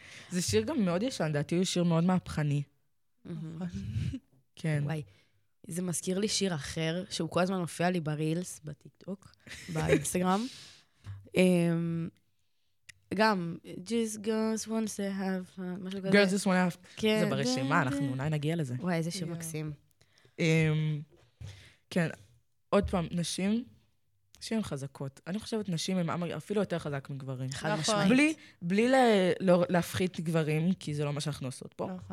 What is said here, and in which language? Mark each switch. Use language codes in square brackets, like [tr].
[he] זה שיר גם מאוד ישן, דעתי הוא שיר מאוד מהפכני. כן. וואי, זה מזכיר לי שיר אחר, שהוא כל הזמן מופיע לי ברילס, בטיקטוק, באינסטגרם. גם, [en] just girls want to have fun, [he] משהו כזה. [en] Girls just want to have fun. [he] כן. זה ברשימה, אנחנו אולי נגיע לזה. וואי, איזה שיר מקסים. כן, עוד פעם, נשים... שהן חזקות. אני חושבת נשים הן אפילו יותר חזק מגברים. חד משמעית. בלי להפחית גברים, כי זה לא מה שאנחנו עושות פה.